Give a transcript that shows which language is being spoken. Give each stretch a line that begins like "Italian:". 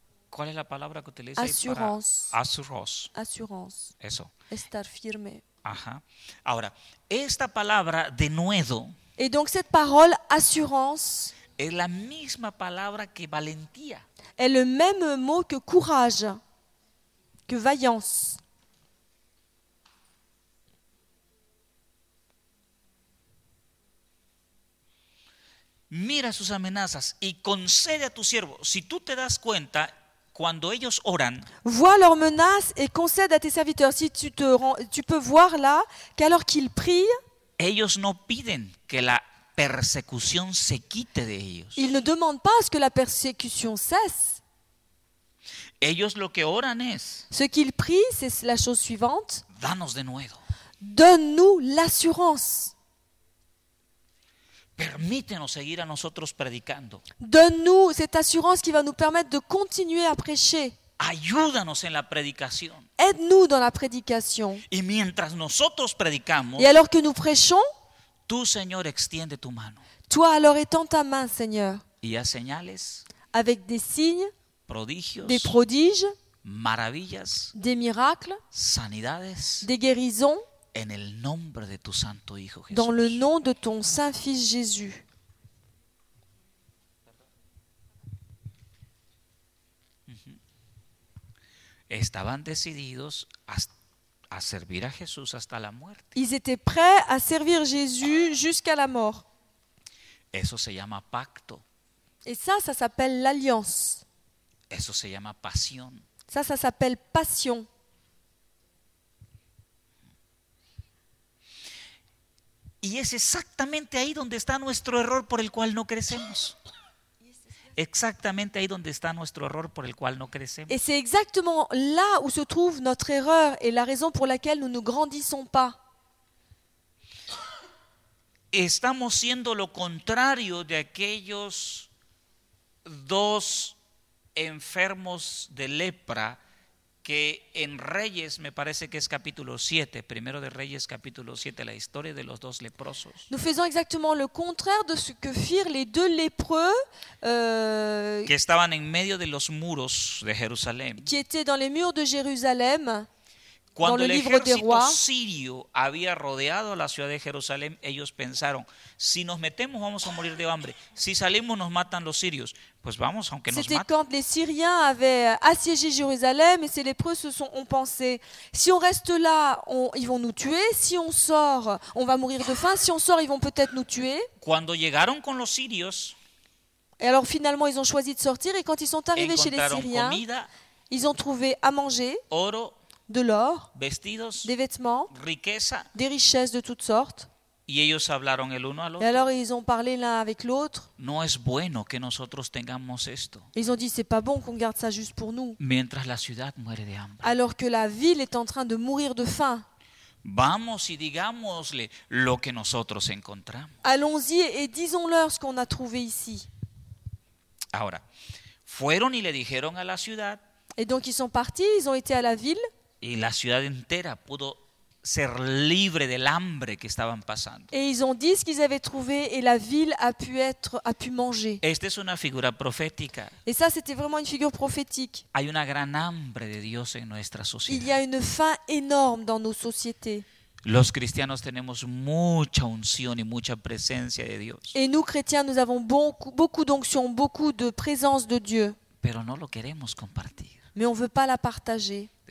Spanish: ¿Cuál es la palabra que utilizas?
French: Assurance. Assurance. Assurance.
Spanish: Eso. Estar firme. Ajá. Ahora, esta palabra de nuevo.
French: Et donc cette parole assurance.
Spanish: Es la misma palabra que valentía.
French: Est le même mot que courage, que vaillance.
Spanish: Mira sus amenazas y concede a tu siervo. Si tú te das cuenta, cuando ellos oran,
French: vois leurs menaces et concède à tes serviteurs. Si tu te rends, tu peux voir là qu'alors qu'ils prient,
Spanish: ellos no piden que la persecución se quite de ellos.
French: Ils ne demandent pas à ce que la persécution cesse.
Spanish: Ellos lo que oran es.
French: Ce qu'ils prient, c'est la chose suivante.
Spanish: Danos de nuevo.
French: Donne-nous l'assurance.
Spanish: Permítenos seguir a nosotros predicando.
French: Donne-nous cette assurance qui va nous permettre de continuer à prêcher.
Spanish: Ayúdanos en la predicación.
French: Aide-nous dans la prédication.
Spanish: Y mientras nosotros predicamos.
French: Et alors que nous prêchons.
Spanish: Tu, Señor, extiende tu mano.
French: Toi alors étends ta main, Seigneur.
Spanish: Y haz señales.
French: Avec des signes.
Spanish: Prodigios.
French: Des prodiges.
Spanish: Maravillas.
French: Des miracles.
Spanish: Sanidades.
French: Des guérisons.
Spanish: En el nombre de tu santo hijo Jesús.
French: Dans le nom de ton saint fils Jésus.
Spanish: Estaban decididos a servir a Jesús hasta la muerte.
French: Ils étaient prêts à servir Jésus jusqu'à la mort.
Spanish: Eso se llama pacto.
French: Et ça s'appelle l'alliance.
Spanish: Eso se llama pasión.
French: Ça s'appelle passion.
Spanish: Y es exactamente ahí donde está nuestro error por el cual no crecemos. Exactamente ahí donde está nuestro error por el cual no crecemos.
French: Et c'est exactement là où se trouve notre erreur et la raison pour laquelle nous ne grandissons pas.
Spanish: Estamos siendo lo contrario de aquellos dos enfermos de lepra que en Reyes, me parece que es capítulo 7, primero de Reyes capítulo 7, la historia de los dos leprosos.
French: Nous faisons exactement le contraire de ce que firent les deux lépreux
Spanish: que estaban en medio de los muros de Jerusalén.
French: Qui étaient dans les murs de Jérusalem.
Spanish: Cuando
French: dans le
Spanish: l'ejército
French: livre des rois,
Spanish: sirio había rodeado la ciudad de Jerusalén, ellos pensaron, si nos metemos vamos a morir de hambre, si salimos nos matan los sirios, pues vamos aunque
French: c'était
Spanish: nos maten.
French: C'était quand les Syriens avaient assiégé Jérusalem et ces lépreux ont pensé, si on reste là, ils vont nous tuer, si on sort, on va mourir de faim, si on sort, ils vont peut-être nous tuer.
Spanish: Cuando llegaron con los sirios,
French: Et alors finalement, ils ont choisi de sortir et quand ils sont arrivés chez les Syriens, ils ont trouvé à manger,
Spanish: oro,
French: de l'or,
Spanish: vestidos,
French: des vêtements,
Spanish: riqueza,
French: des richesses de toutes sortes.
Spanish: Y ellos hablaron el uno al otro.
French: Et alors ils ont parlé l'un avec l'autre.
Spanish: No es bueno que nosotros tengamos esto.
French: Ils ont dit, c'est pas bon qu'on garde ça juste pour nous.
Spanish: Mientras la ciudad muere de hambre.
French: Alors que la ville est en train de mourir de faim.
Spanish: Vamos y digámosle lo que nosotros encontramos.
French: Allons-y et disons-leur ce qu'on a trouvé ici.
Spanish: Ahora, fueron y le dijeron a la ciudad.
French: Et donc ils sont partis, ils ont été à la ville.
Spanish: Y la ciudad entera pudo ser libre del hambre que estaban pasando.
French: Et ils ont dit ce qu'ils avaient trouvé et la ville a pu manger.
Spanish: Esta es una figura profética.
French: Et ça c'était vraiment une figure prophétique.
Spanish: Hay una gran hambre de Dios en nuestra sociedad.
French: Il y a une faim énorme dans nos sociétés.
Spanish: Los cristianos tenemos mucha unción y mucha presencia de Dios.
French: Et nous chrétiens nous avons beaucoup d'onction, beaucoup de présence de Dieu.
Spanish: Pero no lo queremos compartir.
French: Mais on veut pas la partager.